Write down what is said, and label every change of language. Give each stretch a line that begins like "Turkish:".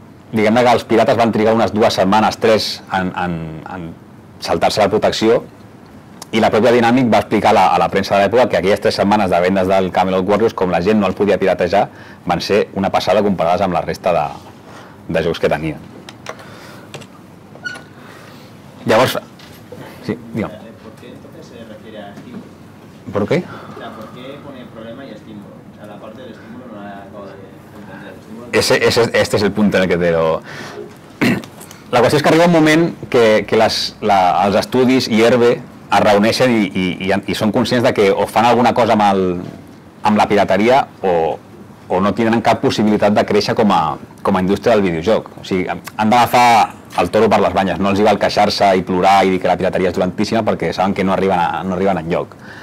Catalan: Diguem-ne que els pirates van trigar unes dues setmanes, tres, en saltar-se la protecció, i la pròpia Dynamic va explicar a la premsa de l'època que aquelles tres setmanes de vendes del Camelot Warriors, com la gent no el podia piratejar, van ser una passada comparades amb la resta de jocs que tenia. Llavors, sí, digue'm.
Spanish: ¿Por qué entonces se refiere a estímulo? ¿Por qué? O sea, ¿por qué pone problema y estímulo? O sea, la parte del estímulo no la acabo de entender. Este es el punto en el que te lo...
Catalan: La qüestió és que arriba un moment que els estudis i Herbe es reuneixen i són conscients de que o fan alguna cosa amb la pirateria o no tenen cap possibilitat de créixer com a indústria del videojoc. O sigui, han d'agafar el toro per les banyes, no els hi val queixar-se i plorar i dir que la pirateria és dolentíssima perquè saben que no arriben enlloc.